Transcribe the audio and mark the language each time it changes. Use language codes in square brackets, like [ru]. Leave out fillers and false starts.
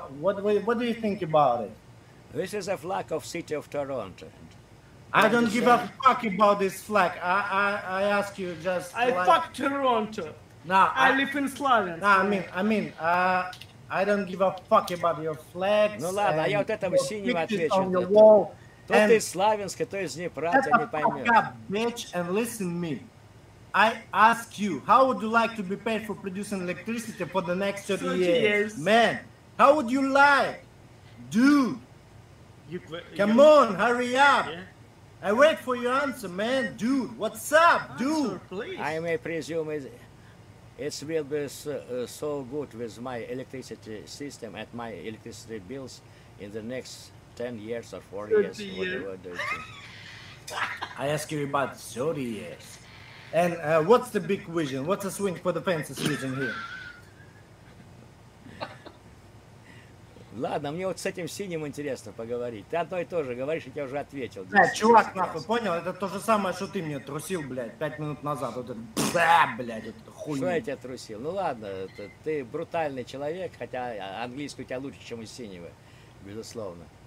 [en] What do you think about it? This is a flag of City of Toronto. I don't give a fuck about this flag. I ask you just. I like, fuck Toronto. No, I live in Slavia. I mean, I don't give a fuck about your flags. [ru] Ну ладно, я вот этого синего отвечу. Кто ты из Славянска, кто из Днепра, ты не поймёшь. [en] Shut up, bitch, and listen to me. I ask you, how would you like to be paid for producing electricity for the next 30 years? Man, how would you like? Dude, come on, hurry up. Yeah. I wait for your answer, man. Dude, what's up, dude? Answer, please. I may presume it will be so good with my electricity system and my electricity bills in the next 10 years or 4 years, whatever they do. I ask you about 30 years. And what's the big vision? What's the swing for the fences vision here? [ru] Ладно, мне вот с этим синим интересно поговорить. Ты одно и то же говоришь, я тебе уже ответил. Да, чувак, нахуй, понял? Это то же самое, что ты мне трусил, блядь, 5 минут назад. Вот это, бля, блядь, вот это хуйня. Что я тебя трусил? Ну ладно, это, ты брутальный человек, хотя английский у тебя лучше, чем у синего, безусловно.